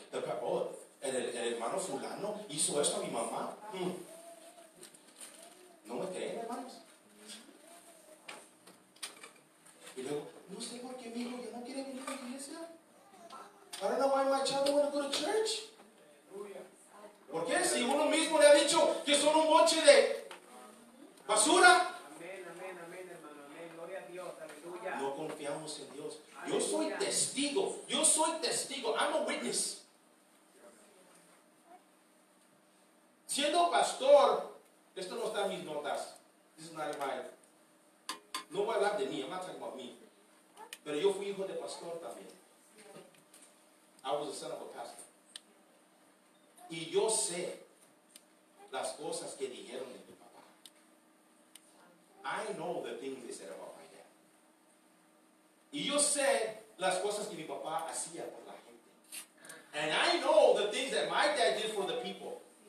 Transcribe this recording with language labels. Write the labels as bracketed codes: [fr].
[es] El hermano fulano hizo eso a mi mamá. ¿No me creen, hermanos? Y luego, no sé por qué mi hijo ya no quiere venir a la iglesia. [en] I don't know why my child don't want to go to church. [es] ¿Por qué? Si uno mismo le ha dicho que son un boche de basura. Amén, amén, amén, hermano, amén. Gloria a Dios, aleluya. No confiamos en Dios. Yo soy testigo. Yo soy testigo. [en] I'm a witness. [es] Siendo pastor, esto no está en mis notas. [en] This is not mine. [es] No voy a hablar de mí, [en] I'm not talking about me. [es] Pero yo fui hijo de pastor también. [en] I was the son of a pastor. [es] Y yo sé las cosas que dijeron de mi papá. [en] I know the things they said about my dad. [es] Y yo sé las cosas que mi papá hacía por la gente. [en] And I know the things that my dad did for the people.